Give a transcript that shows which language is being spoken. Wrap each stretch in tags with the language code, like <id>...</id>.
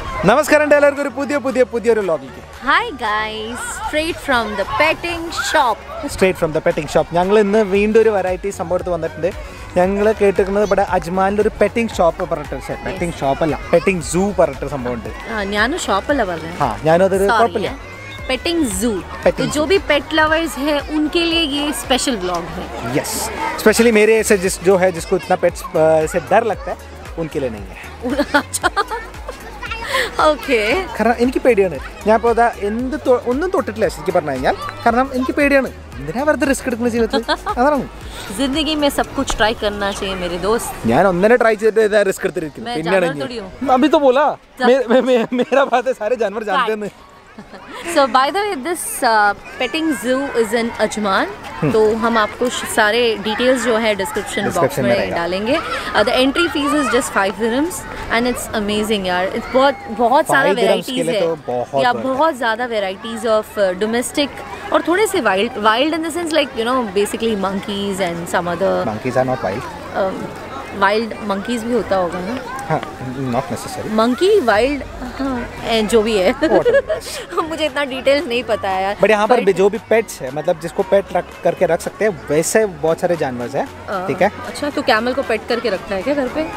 <ml>നമസ്കാരം എല്ലാവർക്കും പുതിയ പുതിയ പുതിയൊരു ലോഗിക്ക്</ml> <en>hi guys straight from the petting shop</en> <ml>straight from the petting shop ഞങ്ങൾ ഇന്ന് വീണ്ടും ഒരു വെറൈറ്റി സംഭവത്തിൽ വന്നിട്ടുണ്ട് ഞങ്ങൾ കേട്ടിരിക്കുന്നത് ഇവിടെ അജ്മാലിൽ ഒരു പെറ്റിംഗ് ഷോപ്പ് പറഞ്ഞിട്ട് പക്ഷേ പെറ്റിംഗ് ഷോപ്പ് അല്ല പെറ്റിംഗ് സൂ പറഞ്ഞിട്ട് സംഭവമുണ്ട് ഞാനും ഷോപ്പല്ല പറഞ്ഞത് ആ ഞാനും അതൊരു കുഴപ്പമില്ല</ml> <hi>पेटिंग जू तो जो भी पेट लवर्स है उनके लिए ये स्पेशल ब्लॉग है यस स्पेशली मेरे ऐसे जिस जो है जिसको इतना पेट्स से डर लगता है उनके लिए नहीं है</hi> <en>okay</en> <ml>കാരണം എനിക്ക് പേടിയാണ് ഞാൻ ഇപ്പോ ദാ എന്ത് ഒന്നും തൊട്ടിട്ടില്ല ശരിക്കും പറഞ്ഞാൽ കാരണം എനിക്ക് പേടിയാണ് എന്തിനാ വെറുതെ റിസ്ക് എടുക്കുന്നത് ജീവിതത്തിൽ അതാണ്</ml> <hi>ജിന്ദഗി മേ സബ് കുച്ച് ട്രൈ കർനാ ചാഹിയേ മേരെ ദോസ്ത്</hi> <ml>ഞാൻ ഒന്നിനെ ട്രൈ ചെയ്തിട്ട് ഇതാ റിസ്ക് എടുത്തിരിക്കുന്നു പിന്നെ</ml> <hi>അഭി തോ ബോലാ മേരാ Baat Saare ജാനവർ ജാനതേ ഹൻ</hi> <en>So by the way, this petting zoo is in Ajman.</en> <hi>तो हम आपको सारे details जो है description box में डालेंगे.</hi> <en>The entry fees is just 5 dirhams and it's amazing</en> <hi>यार. It's बहुत बहुत सारा varieties है. या बहुत ज़्यादा</hi> <en>varieties of domestic</en> <hi>और थोड़े से</hi> <en>wild wild in the sense like you know basically monkeys and some other monkeys are not wild.</en> <hi>Wild monkeys भी होता होगा ना?</hi> <en>Not necessary.</en> <hi>Monkey, wild, and जो भी है मुझे इतना details नहीं पता है यार. But यहाँ पर जो भी pets है मतलब जिसको pet रख करके रख सकते हैं वैसे बहुत सारे जानवर है ठीक है अच्छा तो camel को pet करके रखना है क्या घर पे</hi>